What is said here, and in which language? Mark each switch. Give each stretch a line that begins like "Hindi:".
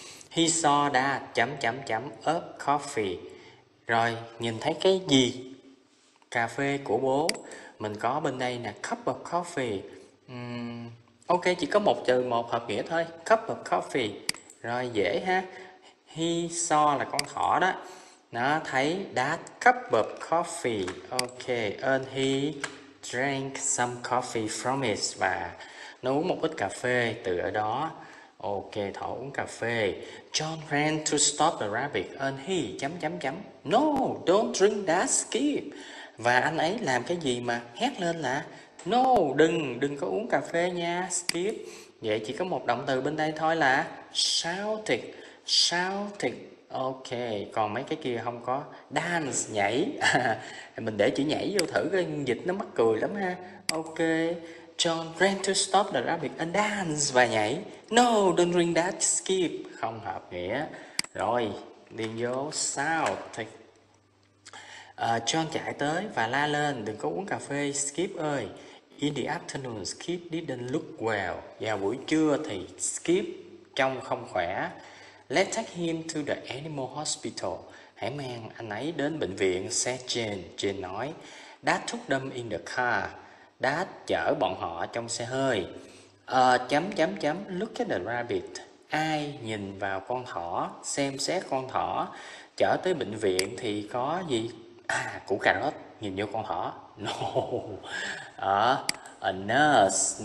English: He saw that
Vietnamese: chấm chấm chấm
English: up coffee.
Vietnamese: Rồi, nhìn thấy cái gì? Cà phê của bố. Mình có bên đây nè,
English: cup of coffee.
Vietnamese: Ok, chỉ có một từ một hợp nghĩa thôi, cup of coffee. Rồi, dễ ha.
English: He saw
Vietnamese: là con thỏ đó. Nó thấy
English: that cup of coffee. Ok, and he drank some coffee from it.
Vietnamese: Và nó uống một ít cà phê từ ở đó. Ok, thỏ uống cà phê.
English: John ran to stop the rabbit. And he
Vietnamese: chấm chấm chấm.
English: No, don't drink that, Skip.
Vietnamese: Và anh ấy làm cái gì mà hét lên là no, đừng có uống cà phê nha, Skip. Vậy chỉ có một động từ bên đây thôi là shouted. Shouted. Ok, còn mấy cái kia không có. Dance, nhảy. Mình để chữ nhảy vô thử cái dịch nó mắc cười lắm ha. Ok.
English: John ran to stop the rabbit and dance.
Vietnamese: Và nhảy.
English: No, don't drink that, Skip.
Vietnamese: Không hợp nghĩa. Rồi, điền vô shouted. John chạy tới và la lên, đừng có uống cà phê, Skip ơi.
English: In the afternoon, Skip didn't look well.
Vietnamese: Vào buổi trưa thì Skip trông không khỏe.
English: Let's take him to the animal hospital.
Vietnamese: Hãy mang anh ấy đến bệnh viện,
English: said Jane.
Vietnamese: Jane nói,
English: Dad took them in the car.
Vietnamese: Dad chở bọn họ trong xe hơi. Chấm chấm chấm,
English: look at the rabbit.
Vietnamese: Ai nhìn vào con thỏ, xem xét con thỏ. Chở tới bệnh viện thì có gì? À, củ cà rốt, nhìn vô con thỏ.
English: No, a nurse.